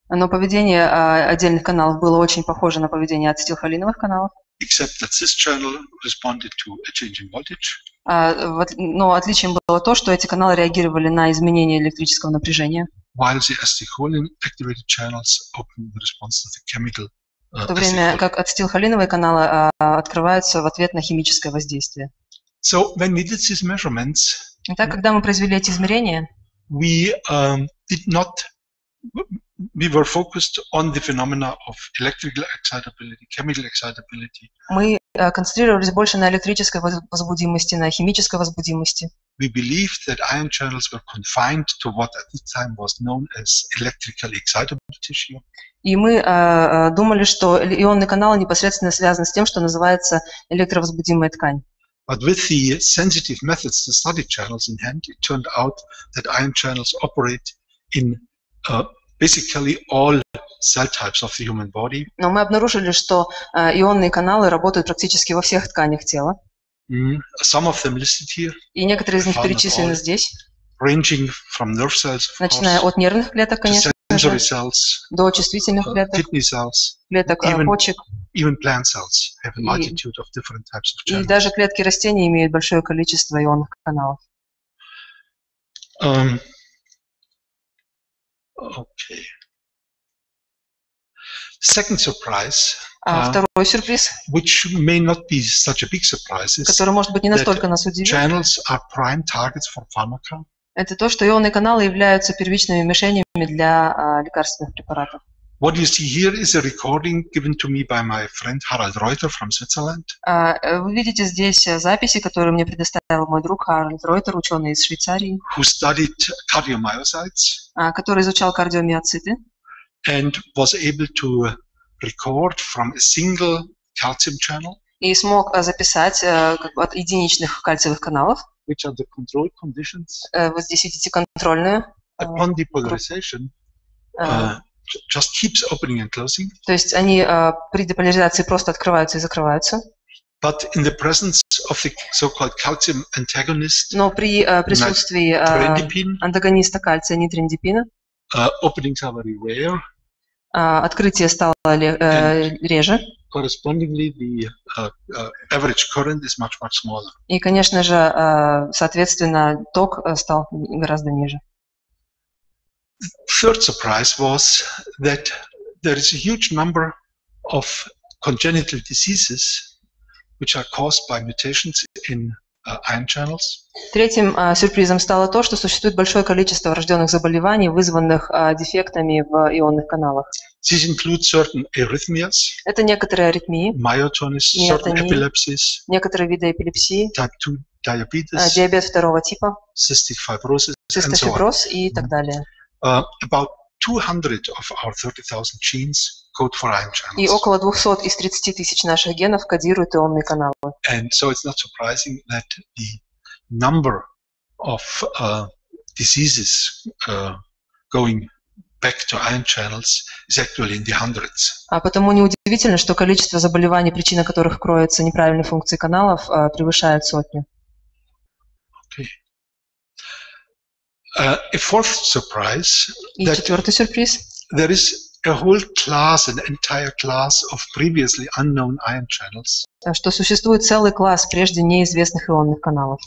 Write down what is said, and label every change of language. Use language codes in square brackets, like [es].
[ru] Но поведение отдельных каналов было очень похоже на поведение ацетилхолиновых каналов. [en] Except that this channel responded to a change in voltage. [ru] Но отличием было то, что эти каналы реагировали на изменение электрического напряжения. [en] While the acetylcholine activated channels opened in response to the chemical. [ru] В то время как ацетилхолиновые каналы открываются в ответ на химическое воздействие. [en] So when we did these measurements. [ru] Итак, когда мы произвели эти измерения, [en] we did not we were focused on the phenomena of electrical excitability, chemical excitability. [ru] Мы концентрировались больше на электрической возбудимости, на химической возбудимости. [en] We believed that ion channels were confined to what at the time was known as electrically excitable tissue. [ru] И мы думали, что ионный канал непосредственно связан с тем, что называется электровозбудимая ткань. [en] But with the sensitive methods to study channels in hand, it turned out that ion channels operate in basically all cell types of the human body. [ru] Но мы обнаружили, что ионные каналы работают практически во всех тканях тела. [en] Some of them listed here. [ru] И некоторые из них перечислены здесь. [en] Ranging from nerve cells, of [ru] начиная [en] course, [ru] от нервных клеток, конечно, [en] to sensory cells, [ru] до чувствительных клеток, [en] kidney cells, [ru] клеток почек. [en] Even plant cells have a multitude of different types of channels. [ru] И даже клетки растений имеют большое количество ионных каналов. [en] Okay. Second surprise. [ru] Второй сюрприз, [en] which may not be such a big surprise, is [ru] который, может быть, не настолько нас удивит. [en] Channels are prime targets for pharmaca. [ru] Это то, что ионные каналы являются первичными мишенями для лекарственных препаратов. [en] What you see here is a recording given to me by my friend Harald Reuter from Switzerland. [ru] Вы видите здесь записи, которые мне предоставил мой друг Харальд Ройтер, ученый из Швейцарии, [en] who studied cardiomyocytes, [ru] который изучал кардиомиоциты, [en] and was able to record from a single calcium channel, [ru] и смог записать от единичных кальциевых каналов, [en] which are the control conditions. [ru] Вы здесь видите контрольную. [en] Upon depolarization, just keeps opening and closing. [ru] То есть они при деполяризации просто открываются и закрываются. [en] But in the presence of the so-called calcium antagonist, [ru] но при присутствии антагониста кальция нитриндипина, [en] openings are very rare. [ru] Открытие стало реже. [en] Correspondingly, the average current is much, much smaller. [ru] И, конечно же, соответственно, ток стал гораздо ниже. [en] Third surprise was that there is a huge number of congenital diseases which are caused by mutations in ion channels. [ru] Третьим сюрпризом стало то, что существует большое количество врожденных заболеваний, вызванных дефектами в ионных каналах. [en] These include certain arrhythmias. [ru] Это некоторые аритмии. [en] Myotonies, certain epilepsies. [ru] Некоторые виды эпилепсии. [en] Type 2 diabetes. [ru] Диабет второго типа. [en] Cystic fibrosis. [ru] Цистофиброз и так далее. [en] About 200 of our 30,000 genes code for ion channels. [ru] И около 200 из 30 тысяч наших генов кодируют ионные каналы. [en] And so it's not surprising that the number of diseases going back to ion channels is actually in the hundreds. [ru] А потому неудивительно, что количество заболеваний, причина которых кроется неправильной функции каналов, превышает сотню. [en] Okay. A fourth surprise. [ru] И четвертый сюрприз. [en] There is a whole class, an entire class of previously unknown ion channels. [ru] Что существует целый класс прежде неизвестных ионных каналов.